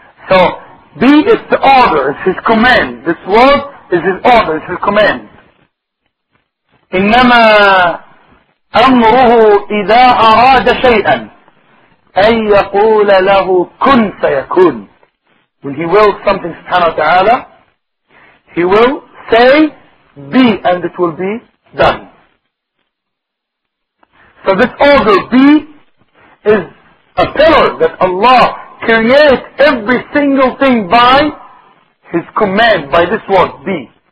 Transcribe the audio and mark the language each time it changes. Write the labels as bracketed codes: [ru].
[en] So be is the order, it's his command. This word is his order, it's his command. [ar] إنما أمره إذا أراد شيئا أن يقول له كن فيكون. [en] When he wills something, subhanahu wa ta'ala, he will say, be, and it will be done. So this order, be, is a pillar that Allah creates every single thing by His command, by this word, be.